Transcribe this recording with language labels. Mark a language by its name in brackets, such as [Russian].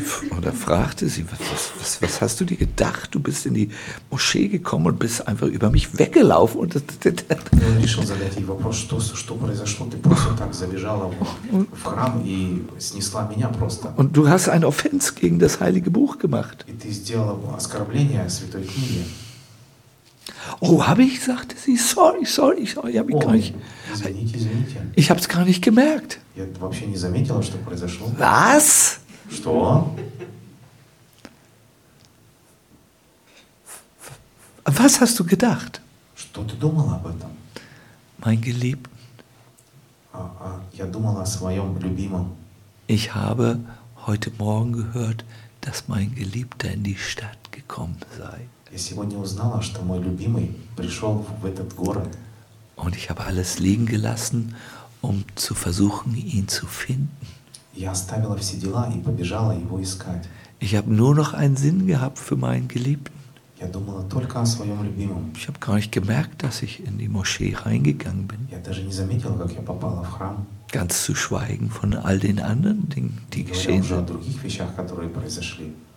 [German] Und er fragte sie, was hast du dir gedacht? Du bist in die Moschee gekommen und bist einfach über mich weggelaufen. Und er [Russian] решил задать ей вопрос, что произошло? Ты просто так забежала в храм и снесла меня просто. [German] Und du hast eine Offense gegen das Heilige Buch gemacht. [Russian] И ты сделала оскорбление Святой Книге. [German] Oh, habe ich, sagte sie, sorry, habe ich gar nicht. [Russian] Извините. [German] Ich habe es gar nicht gemerkt. [Russian] Я вообще не заметила, что произошло. [German] Was? [Russian] Что? [German] Was hast du gedacht? [Russian] Что ты думала об этом? [German] Mein Geliebten. [Russian] Я думала о своем любимом. [German] Ich habe heute Morgen gehört, dass mein Geliebter in die Stadt gekommen sei. [Russian] Я сегодня узнала, что мой любимый пришел в этот город. [German] Und ich habe alles liegen gelassen, um zu versuchen, ihn zu finden. [Russian] Я оставила все дела и побежала его искать. [German] Ich habe nur noch einen Sinn gehabt für meinen Geliebten. [Russian] Я думала только о своем любимом. [German] Ich habe gar nicht gemerkt, dass ich in die Moschee reingegangen bin. [Russian] Я даже не заметила, как я попала в храм. [German] Ganz zu schweigen von all den anderen Dingen, die geschehen sind. [Russian] О других вещах, которые произошли.